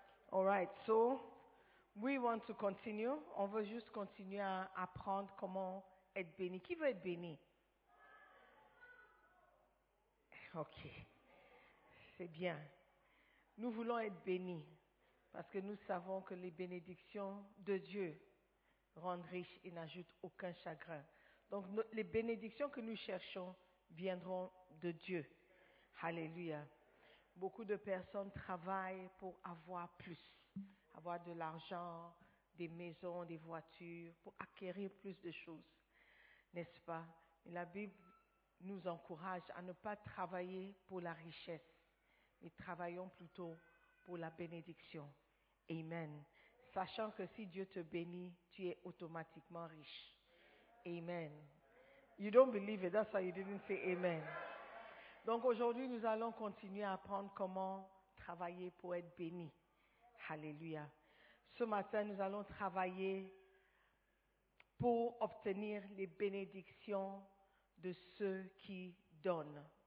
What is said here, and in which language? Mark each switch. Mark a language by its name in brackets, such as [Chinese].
[English] All right, so we want to continue. [French] On veut juste continuer à apprendre comment être béni. Qui veut être béni? Ok, c'est bien. Nous voulons être bénis parce que nous savons que les bénédictions de Dieu rendent riches et n'ajoutent aucun chagrin. Donc les bénédictions que nous cherchons viendront de Dieu. Alléluia. Beaucoup de personnes travaillent pour avoir plus, avoir de l'argent, des maisons, des voitures, pour acquérir plus de choses, n'est-ce pas? Et la Bible nous encourage à ne pas travailler pour la richesse, mais travaillons plutôt pour la bénédiction. Amen. Sachant que si Dieu te bénit, tu es automatiquement riche. Amen. [English] You don't believe it, that's why you didn't say amen. [French] Donc aujourd'hui, nous allons continuer à apprendre comment travailler pour être béni. Alléluia. Ce matin, nous allons travailler pour obtenir les bénédictions de ceux qui donnent.